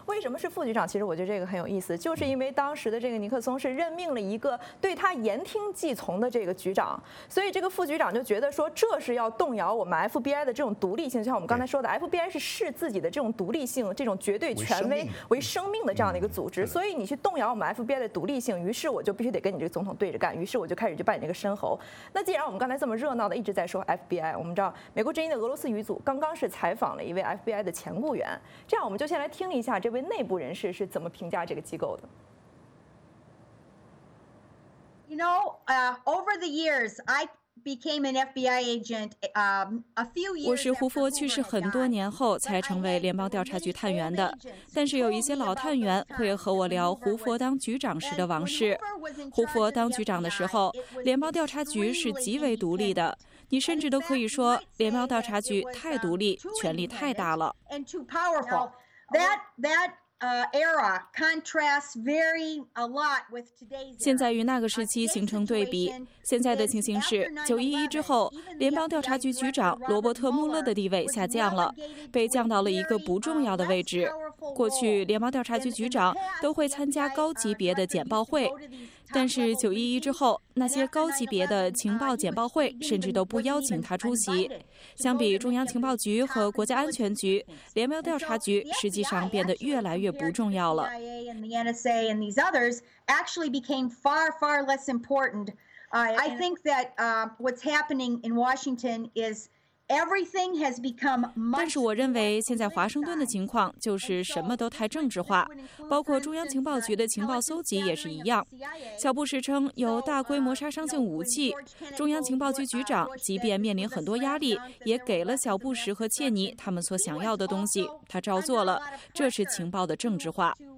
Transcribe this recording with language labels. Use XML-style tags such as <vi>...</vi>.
<zh>为什么是副局长？其实我觉得这个很有意思，就是因为当时的这个尼克松是任命了一个对他言听计从的这个局长，所以这个副局长就觉得说，这是要动摇我们 FBI 的这种独立性。就像我们刚才说的 ，FBI 是视自己的这种独立性、这种绝对权威为生命的这样的一个组织，所以你去动摇我们 FBI 的独立性，于是我就必须得跟你这个总统对着干，于是我就开始就扮演这个申猴。那既然我们刚才这么热闹的一直在说 FBI， 我们知道美国之音的俄罗斯语组刚刚是采访了一位 FBI 的前雇员，这样我们就先来听一下这位内部人士是怎么评价这个机构的。</zh> <en>You know, over the years, I became an FBI agent. A few years.</en> <zh>我是胡佛去世很多年后才成为联邦调查局探员的，但是有一些老探员会和我聊胡佛当局长时的往事。胡佛当局长的时候，联邦调查局是极为独立的。你甚至都可以说，联邦调查局太独立，权力太大了。现在与那个时期形成对比。现在的情形是，9/11之后，联邦调查局局长罗伯特·穆勒的地位下降了，被降到了一个不重要的位置。过去，联邦调查局局长都会参加高级别的简报会，但是9/11之后，那些高级别的情报简报会甚至都不邀请他出席。相比中央情报局和国家安全局，联邦调查局实际上变得越来越不重要了。</zh> <en>I think that what's happening in Washington is everything has become much.</en> <zh>但是我认为现在华盛顿的情况就是什么都太政治化，包括中央情报局的情报搜集也是一样。小布什称有大规模杀伤性武器，中央情报局局长即便面临很多压力，也给了小布什和切尼他们所想要的东西，他照做了，这是情报的政治化。</zh>